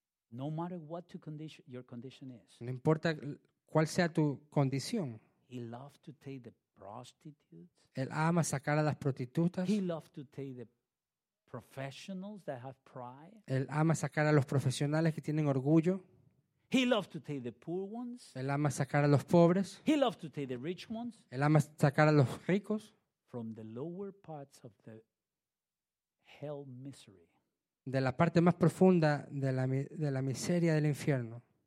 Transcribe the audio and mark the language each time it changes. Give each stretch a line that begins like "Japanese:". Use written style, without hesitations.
English: No matter what to condition, your condition is.
Spanish: No importa cuál sea tu condición.
English: He loves to take the prostitutes.
Spanish: Él ama sacar a las prostitutas.
English: He loves to take the professionals that have pride.
Spanish: Él ama sacar a los profesionales que tienen orgullo.
English: He loves to take the poor ones.
Spanish: Él ama sacar a los pobres.
English: He loves to take the rich ones.
Spanish: Él ama sacar a los ricos.
English: From the lower parts of the hell misery.
Spanish: De la parte más profunda de la miseria del infierno.